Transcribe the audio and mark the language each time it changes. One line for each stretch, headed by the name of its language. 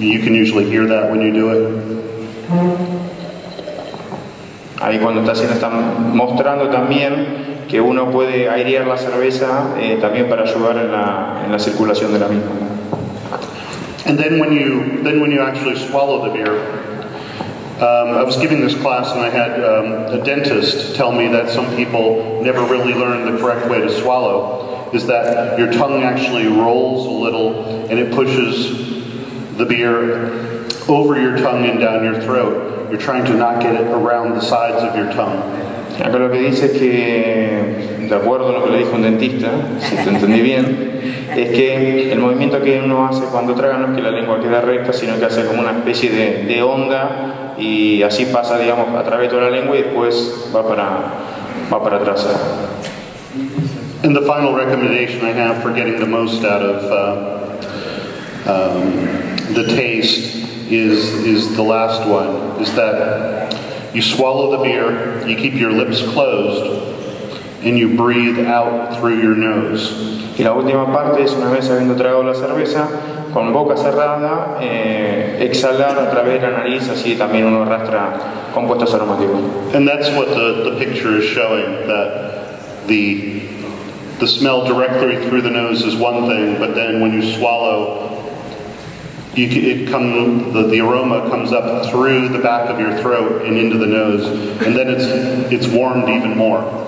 English: You can usually hear that when you do it.
Spanish: Ahí cuando está haciendo, está mostrando también que uno puede airear la cerveza también para ayudar en la circulación de la misma.
English: And then when you actually swallow the beer, I was giving this class and I had a dentist tell me that some people never really learn the correct way to swallow, is that your tongue actually rolls a little and it pushes the beer over your tongue and down your throat. You're trying to not get it around the sides of your tongue.
Spanish: Acá lo que dice es que, de acuerdo a lo que le dijo un dentista, si te entendí bien, es que el movimiento que uno hace cuando traga no es que la lengua quede recta, sino que hace como una especie de onda y así pasa, digamos, a través de toda la lengua y después va para atrás.
English: And the final recommendation I have for getting the most out of the taste is the last one, is that you swallow the beer, you keep your lips closed, and you breathe out through your nose.
Spanish: Y la última parte es, una vez habiendo tragado la cerveza, con boca cerrada, exhalar a través de la nariz, así también uno arrastra compuestos aromáticos.
English: And that's what the picture is showing, that the smell directly through the nose is one thing, but then when you swallow, the aroma comes up through the back of your throat and into the nose, and then it's warmed even more.